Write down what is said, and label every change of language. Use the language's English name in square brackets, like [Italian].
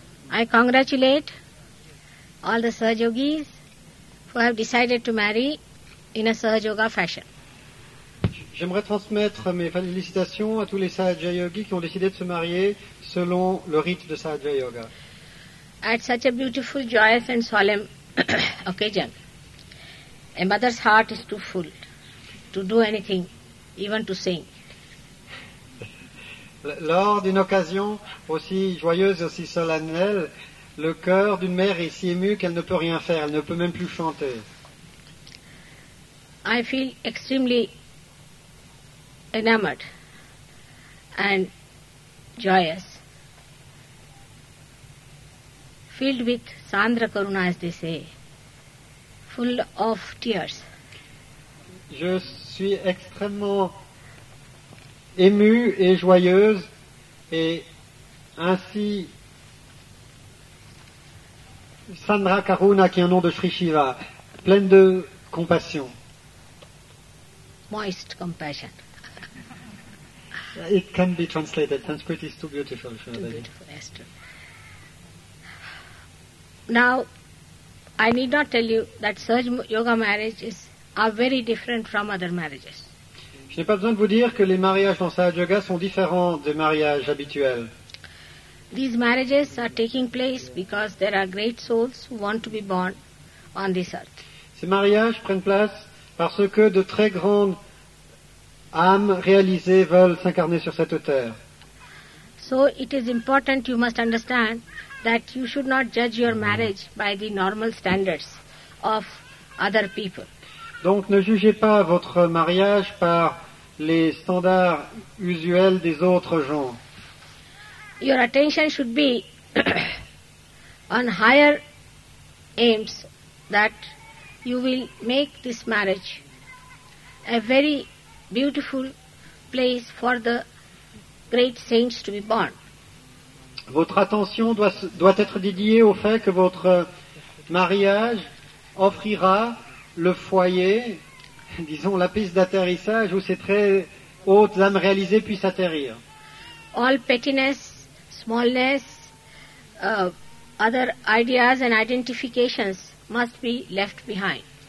[English] I congratulate all the Sahaja Yogis who have decided to marry in a Sahaja Yoga fashion. [French] J'aimerais transmettre mes félicitations à tous les Sahaja Yogis qui ont décidé de se marier selon le rite de Sahaja Yoga. [English] At such a beautiful, joyous and solemn occasion, a mother's heart is too full to do anything, even to sing. [French] Lors d'une occasion aussi joyeuse et aussi solennelle, le cœur d'une mère est si ému qu'elle ne peut rien faire, elle ne peut même plus chanter. [English] I feel extremely enamored and joyous, filled with Sandra Karuna, as they say, full of tears. [French] Je suis extrêmement émue et joyeuse et ainsi Sandra Karuna, qui est un nom de Sri Shiva, pleine de compassion. [English] Moist compassion. It can be translated. Sanskrit is too beautiful. Too beautiful, yes, true. Now, I need not tell you that Sahaja Yoga marriages are very different from other marriages. [French] Je n'ai pas besoin de vous dire que les mariages dans Sahaja Yoga sont différents des mariages habituels. [English] These marriages are taking place because there are great souls who want to be born on this earth. [French] Ces mariages prennent place parce que de très grandes âmes réalisées veulent s'incarner sur cette terre. [English] So it is important, you must understand, that you should not judge your marriage by the normal standards of other people. [French] Donc ne jugez pas votre mariage par les standards usuels des autres gens. [English] Your attention should be on higher aims, that you will make this marriage a very beautiful place for the great saints to be born. [French] Votre attention doit être dédiée au fait que votre mariage offrira le foyer, disons la piste d'atterrissage, où ces très hautes âmes réalisées puissent atterrir. [English] All pettiness, smallness, other ideas and identifications must be left behind.